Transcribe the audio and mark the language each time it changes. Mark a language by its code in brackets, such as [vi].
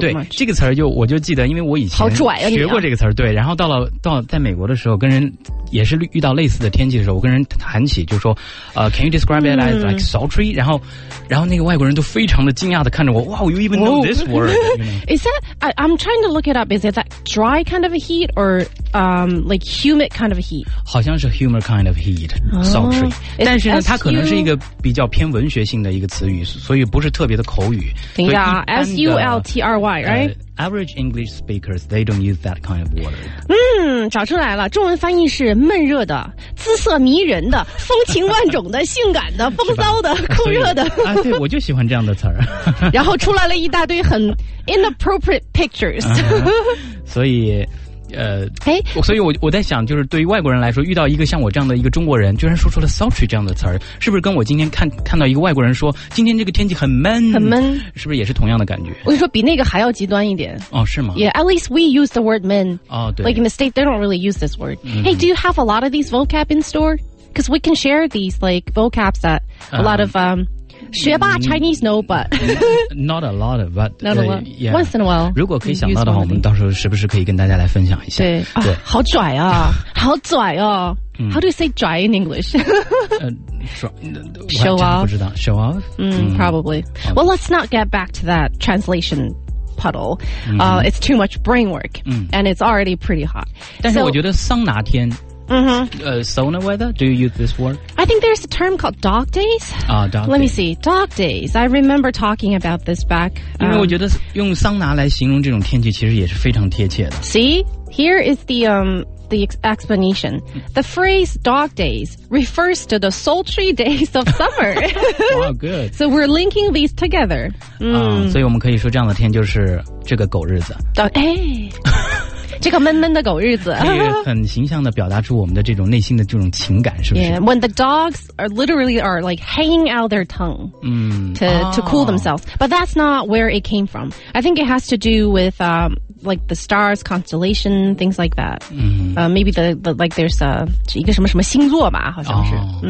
[zh] 对，这个词儿我就记得，因为我以前好拽啊，学过这个词儿。对，然后到在美国的时候，跟人也是遇到类似的天气的时候，我跟人谈起，就说 [en] can you describe it as like sultry? [zh] 然后那个外国人都非常的惊讶的看着我，哇 ， [en] you even know this word? You know? Is that I'm trying to look it up? Is it that dry kind of a heat or like humid kind of a heat? [zh] 好像是 [en] humid kind of heat, sultry. [zh] 但是呢，它可能是一个比较偏文学性的一个词语，所以不是特别的口语。等一下， [en] sultry, right? Average English speakers, they don't use that kind of word. [zh] 找出来了，中文翻译是闷热的、姿色迷人的、风情万种的、性感的、风骚的、酷热的。对，我就喜欢这样的词儿。然后出来了一大堆很 [en] inappropriate pictures. [zh] 所以，所以我在想，就是对于外国人来说，遇到一个像我这样的一个中国人，居然说出了 sultry 这样的词儿，是不是跟我今天看到一个外国人说今天这个天气很闷，是不是也是同样的感觉？我跟你说，比那个还要极端一点。哦，是吗 [en] ？Yeah, at least we use the word "men." [zh] 哦，对。 [en] Like in the state, they don't really use this word.、Hey, do you have a lot of these vocab in store? Because we can share these like vocabs that a lot of学霸 Chinese know, but not a lot of, but not a lot. Yeah, once in a while. [zh] 如果可以想到的话，我们到时候是不是可以跟大家来分享一下？对，好拽啊，好拽哦。 [en] How do you say dry in English? Show off. [zh] 不知道 [en] show off. Probably. Well, let's not get back to that translation puddle. It's too much brain work. And it's already pretty hot. [zh] 但是我觉得桑拿天 [en] sauna weather, do you use this word? I think there's a term called dog days. Dog days. I remember talking about this back. [zh] 因为我觉得用桑拿来形容这种天气其实也是非常贴切的。 [en] See, here is the explanation. The phrase dog days refers to the sultry days of summer. Wow, good. So we're linking these together. [zh] 所以我们可以说这样的天就是这个狗日子。这个闷闷的狗日子，可以很形象的表达出我们的这种内心的这种情感，是不是 [en] ？Yeah, when the dogs are literally are like hanging out their tongue, to cool themselves. But that's not where it came from. I think it has to do with like the stars, constellation, things like that. Maybe the like there's a [zh] 一个什么什么星座吧，好像是、